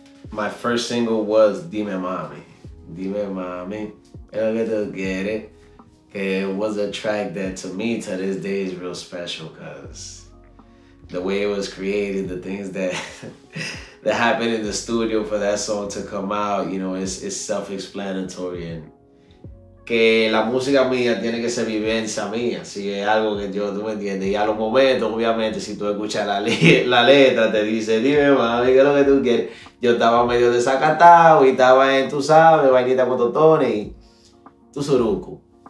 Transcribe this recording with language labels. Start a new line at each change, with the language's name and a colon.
English: My first single was Dime Mami. Dime Mami, ¿qué es lo que tú quieres? Que was a track that to me, to this day, is real special, because the way it was created, the things that that happened in the studio for that song to come out, you know, it's self-explanatory.
Spanish: And que la música mía tiene que ser vivencia mía, si es algo que yo, tú me entiendes. Y a los momentos, obviamente, si tú escuchas la letra, te dice, dime, mami, ¿qué es lo que tú quieres? Yo estaba medio desacatado y estaba en, tú sabes, vainita con totones y tu suruku.